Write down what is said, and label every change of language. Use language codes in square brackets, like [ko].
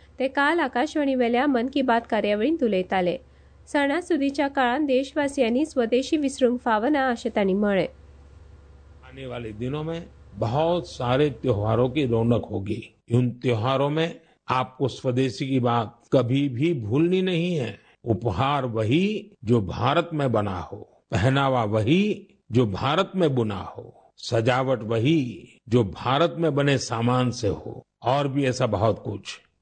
[gom] ते काल आकाशवाणी वेल्या मन की बात कार्यावळींत उलयताले. सणासुदीच्या काळांत देशवासियांनी स्वदेशी विसरूंक फावना अशें तांणी म्हळें. [hi] आने वाले दिनों में बहुत सारे त्योहारों की रौनक होगी. उन त्योहारों में आपको स्वदेशी की बात कभी भी भूलनी नहीं है. उपहार वही जो भारत में बना हो, पहनावा वही जो भारत में बुना हो, सजावट वही जो भारत में बने सामान से हो, और भी ऐसा बहुत कुछ.